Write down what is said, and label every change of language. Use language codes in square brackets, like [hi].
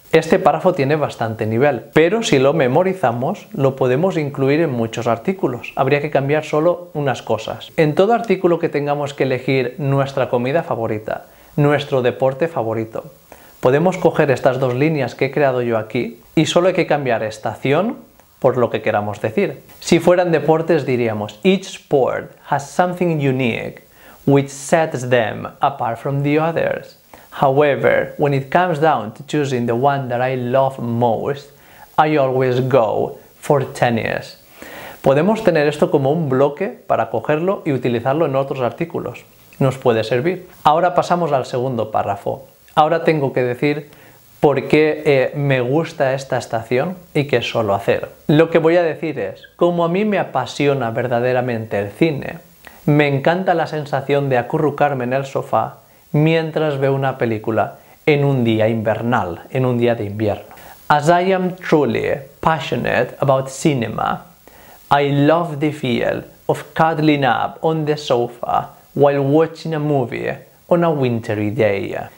[es] Este párrafo tiene bastante nivel, pero si lo memorizamos, lo podemos incluir en muchos artículos. Habría que cambiar solo unas cosas. En todo artículo que tengamos que elegir nuestra comida favorita, nuestro deporte favorito, podemos coger estas dos líneas que he creado yo aquí y solo hay que cambiar estación por lo que queramos decir. Si fueran deportes diríamos, [en] each sport has something unique which sets them apart from the others. However, when it comes down to choosing the one that I love most, I always go for tennis. [es] Podemos tener esto como un bloque para cogerlo y utilizarlo en otros artículos. Nos puede servir. Ahora pasamos al segundo párrafo. Ahora tengo que decir por qué me gusta esta estación y qué suelo hacer. Lo que voy a decir es, como a mí me apasiona verdaderamente el cine, me encanta la sensación de acurrucarme en el sofá mientras veo una película en un día invernal, en un día de invierno. [en] As I am truly passionate about cinema, I love the feel of cuddling up on the sofa while watching a movie on a wintry day.